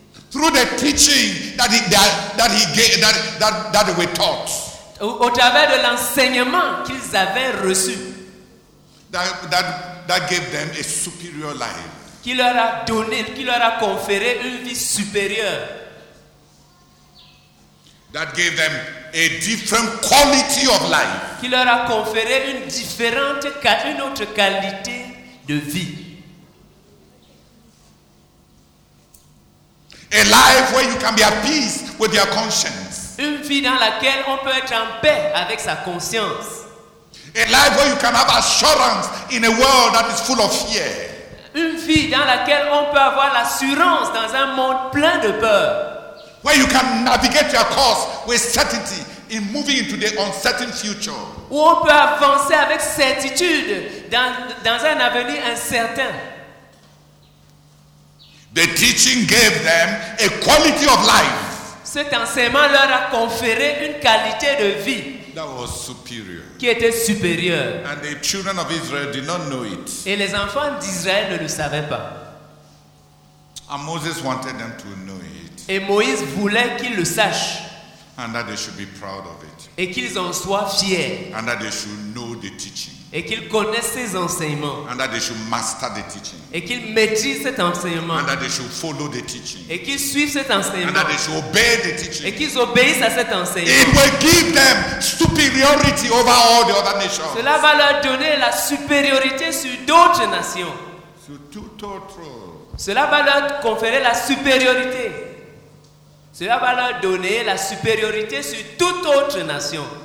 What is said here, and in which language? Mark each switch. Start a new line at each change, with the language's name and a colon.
English: Through the teaching that they were taught.
French: Au travers de l'enseignement qu'ils avaient reçu.
English: That gave them a superior life.
French: Qui leur a donné, qui leur a conféré une vie supérieure.
English: That gave them a different quality of life.
French: Qui leur a conféré une différente, une autre qualité de vie.
English: A life where you can be at peace with your conscience.
French: Une vie dans laquelle on peut être en paix avec sa conscience.
English: A life where you can have assurance in a world that is full of fear.
French: Une vie dans laquelle on peut avoir l'assurance dans un monde plein de peur.
English: Where you can navigate your course with certainty in moving into the uncertain future.
French: Où on peut avancer avec certitude dans un avenir incertain.
English: The teaching gave them a quality of life.
French: Cet enseignement leur a conféré une qualité de vie.
English: That was superior.
French: Qui était supérieure.
English: And the children of Israel did not know it.
French: Et les enfants d'Israël ne le savaient pas.
English: And Moses wanted them to know it.
French: Et Moïse voulait qu'ils le sachent.
English: And that they should be proud of it.
French: Et qu'ils en soient fiers.
English: And that they should know the teaching.
French: Et qu'ils connaissent ces enseignements.
English: And that they should master the teaching.
French: Et qu'ils maîtrisent cet enseignement.
English: And that they should follow the teaching.
French: Et qu'ils suivent cet enseignement.
English: And that they should obey the teaching.
French: Et qu'ils obéissent à cet enseignement.
English: It will give them superiority over all the other nations.
French: Cela va leur donner la supériorité sur d'autres nations. Sur tout autre. Cela va leur conférer la supériorité. Cela va leur donner la supériorité sur toute autre nation.